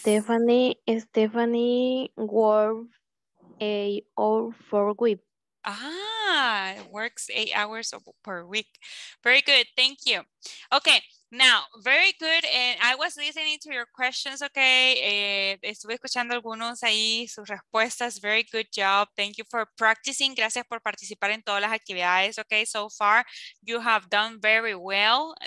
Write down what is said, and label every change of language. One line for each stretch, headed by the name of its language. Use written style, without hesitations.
English: Stephanie works 8 hours per week. Ah, works 8 hours per week. Very good. Thank you. Okay. Now, very good. And I was listening to your questions. Okay.
Spanish: Estuve escuchando algunos ahí, sus respuestas.
English: Very good job. Thank you for practicing.
Spanish: Gracias por participar en todas las actividades.
English: Okay. So far, you have done very well.